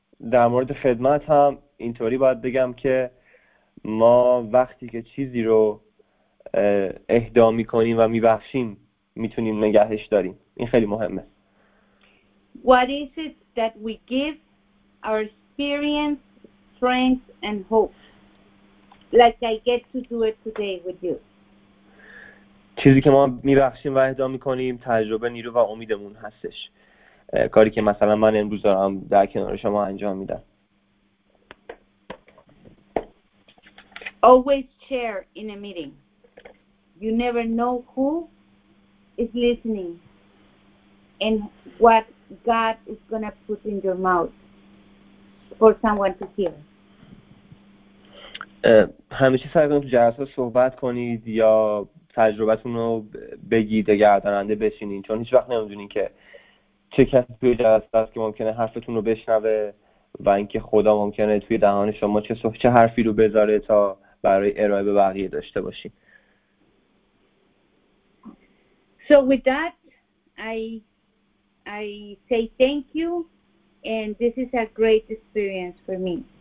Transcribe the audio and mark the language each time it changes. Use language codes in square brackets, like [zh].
[fa] در مورد خدمت هم اینطوری باید بگم که ما وقتی که چیزی رو اهدا میکنیم و میبخشیم میتونیم نگهش داریم. این خیلی مهمه. [en] What is it that we give? Our experience, strength and hope. Like I get to do it today with you. [fa] چیزی که ما میبخشیم و اهدا میکنیم تجربه، نیرو و امیدمون هستش. کاری که مثلا من امروز دارم در کنار شما انجام میدم. [en] Always share in a meeting. You never know who is listening and what God is gonna put in your mouth for someone to hear. [fa] همیشه سعی کنید تو جلسه صحبت کنید یا تجربتون رو بگید، گرداننده بشینید، چون هیچ وقت نمیدونید که چه کسی توی جلسه است که ممکنه حرفتون رو بشنوه و اینکه خدا ممکنه توی دهان شما چه حرفی رو بذاره تا برای ارائه به بقیه داشته باشید. [en] So with that I say thank you and this is a great experience for me.